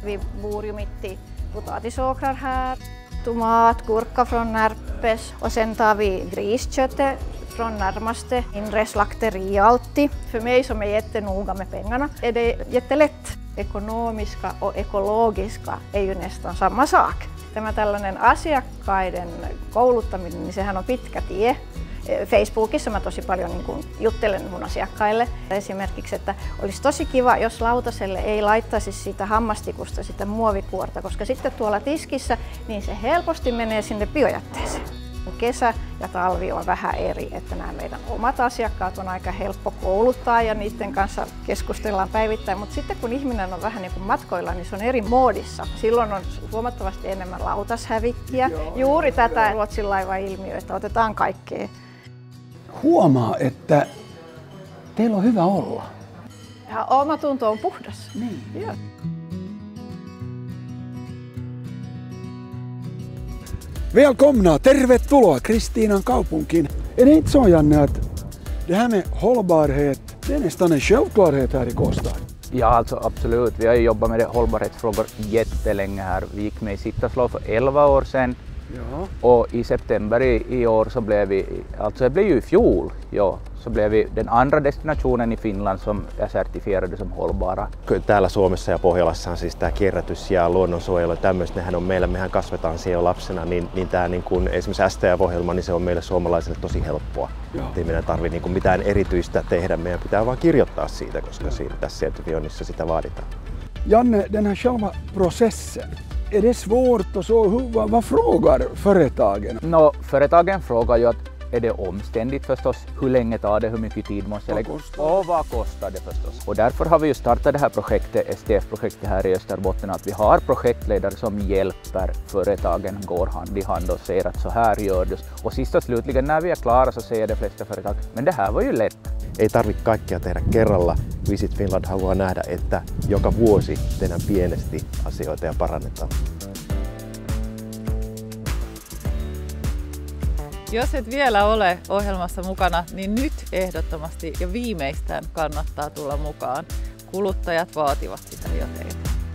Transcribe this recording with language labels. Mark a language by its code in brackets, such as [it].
[sv] Vi bor ju mitt i potatisåkrar här. Tomat, gurka från Närpes och sen tar vi grisköttet från närmaste inre slakteri alltid. För mig som är jättenoga med pengarna är det jättelätt. Ekonomiska och ekologiska är ju nästan samma sak. [fi] Tämä tällainen asiakkaiden kouluttaminen, niin sehän on pitkä tie. Facebookissa mä tosi paljon niin kuin juttelen mun asiakkaille. Esimerkiksi, että olisi tosi kiva, jos lautaselle ei laittaisi siitä hammastikusta sitä muovikuorta, koska sitten tuolla tiskissä niin se helposti menee sinne biojätteeseen. Kesä ja talvi on vähän eri, että nämä meidän omat asiakkaat on aika helppo kouluttaa ja niiden kanssa keskustellaan päivittäin. Mutta sitten kun ihminen on vähän niin kuin matkoilla, niin se on eri moodissa. Silloin on huomattavasti enemmän lautashävikkiä. Tätä Ruotsin laiva-ilmiö, että otetaan kaikkea. Huomaa, että teillä on hyvä olla. Ja oma tunto on puhdas. Niin. Joo. [sv] Välkomna, [fi] tervetuloa Kristiinan kaupunkiin. En itse ole, [sv] Janne, [fi] että [sv] det här med hållbarhet, det är nästan en självklarhet här i Kostad. Ja, alltså absolut. Vi har jobbat med hållbarhetsfrågor jättelänge här. Vi gick med i Sittaslov för 11 år sedan. Ja. Och i september i år så blev vi, alltså det blev ju i fjol, ja, så blev vi den andra destinationen i Finland som är certifierad som hållbara. [fi] Täällä Suomessa ja Pohjolassa on siis tämä kierrätys ja luonnonsuojelu ja tämmöistä, nehän on meillä, mehän kasvetaan siellä lapsena, niin tämä niin kuin esimerkiksi STF-ohjelma, niin se on meille suomalaisille tosi helppoa. Ja. Ei meidän tarvitse niin kuin mitään erityistä tehdä, meidän pitää vaan kirjoittaa siitä, koska siinä, tässä sertifioinnissa sitä vaaditaan. [sv] Janne, den här själva processen. Är det svårt och så? Vad frågar företagen? Företagen frågar ju att är det omständigt förstås? Hur länge tar det? Hur mycket tid måste jag lägga? Och vad kostar det förstås? Och därför har vi ju startat det här projektet, STF-projektet här i Österbotten, att vi har projektledare som hjälper företagen, går hand i hand och säger att så här gör det. Och sist och slutligen när vi är klara så säger de flesta företag, men det här var ju lätt. [fi] Ei tarvitse kaikkea tehdä kerralla. Visit Finland haluaa nähdä, että joka vuosi tehdään pienesti asioita ja parannetaan. Jos et vielä ole ohjelmassa mukana, niin nyt ehdottomasti ja viimeistään kannattaa tulla mukaan. Kuluttajat vaativat sitä jo teitä.